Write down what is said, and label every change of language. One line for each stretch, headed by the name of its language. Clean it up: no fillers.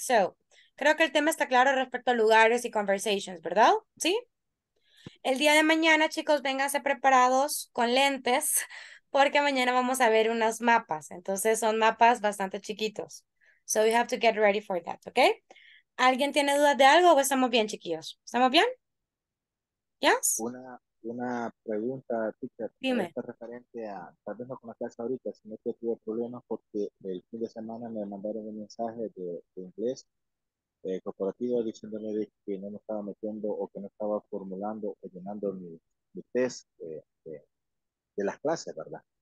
Spanish: So, creo que el tema está claro respecto a lugares y conversations, ¿verdad? ¿Sí? El día de mañana, chicos, vénganse preparados con lentes, porque mañana vamos a ver unos mapas. Entonces, son mapas bastante chiquitos.
English: So, you have to get ready for that, okay?
Spanish: ¿Alguien tiene dudas de algo o estamos bien, chiquillos? ¿Estamos bien? ¿Yes? Una pregunta, teacher. Dime. Está referente a, tal vez no con la clase ahorita, sino que tuve problemas porque el fin de semana me mandaron un mensaje de inglés corporativo diciéndome de que no me estaba metiendo o que no estaba formulando o llenando mi test de las clases, ¿verdad?